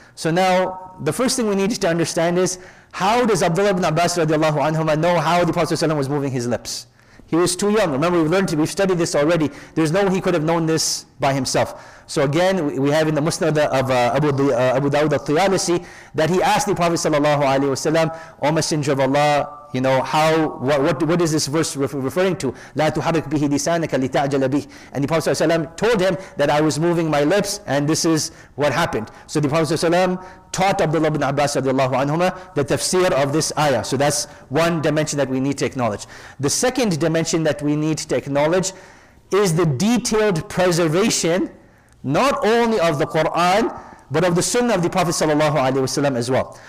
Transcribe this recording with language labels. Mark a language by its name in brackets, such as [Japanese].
[English] So now, the first thing we need to understand is, how does Abdullah ibn Abbas radiallahu anhu know how the Prophet ﷺ was moving his lips? He was too young. Remember, we've studied this already. There's no way he could have known this by himself. So again, we have in the Musnad of Abu Dawud al-Tiyalisi that he asked the Prophet sallallahu alaihi wasallam, O Messenger of Allah, you know, what is this verse referring to? [Arabic] لا تحرك به لسانك لتعجل به. [English] And the Prophet sallallahu alaihi wasallam told him that I was moving my lips and this is what happened. So the Prophet sallallahu alaihi wasallam taught Abdullah ibn Abbas radiallahu anhuma the tafsir of this ayah. So that's one dimension that we need to acknowledge. The second dimension that we need to acknowledge is the detailed preservation, not only of the Qur'an, but of the sunnah of the Prophet sallallahu alaihi wasallam as well.